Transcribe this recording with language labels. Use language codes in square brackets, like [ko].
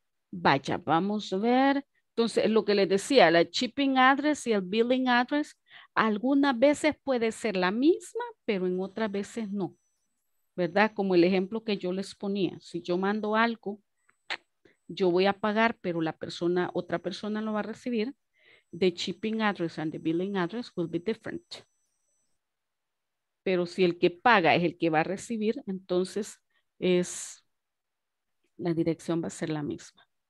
[es] Vaya, vamos a ver. Entonces, lo que les decía, la shipping address y el billing address, algunas veces puede ser la misma, pero en otras veces no, ¿verdad? Como el ejemplo que yo les ponía. Si yo mando algo, yo voy a pagar, pero la persona, otra persona lo va a recibir. [en] The shipping address and the billing address will be different. [es] Pero si el que paga es el que va a recibir, entonces es la dirección va a ser la misma.